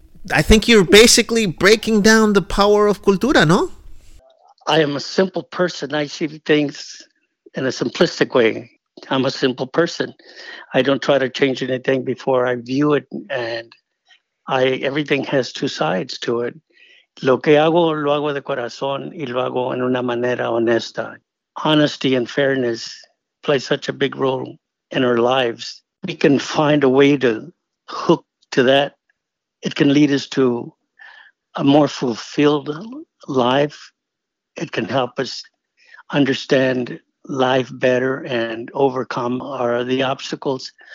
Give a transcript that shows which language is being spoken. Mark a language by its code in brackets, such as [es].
[en] I think you're basically breaking down the power of cultura, no? I am a simple person. I see things in a simplistic way. I'm a simple person. I don't try to change anything before I view it. And everything has two sides to it. [es] Lo que hago, lo hago de corazón y lo hago en una manera honesta. [en] Honesty and fairness play such a big role in our lives. We can find a way to hook to that. It can lead us to a more fulfilled life. It can help us understand life better and overcome the obstacles.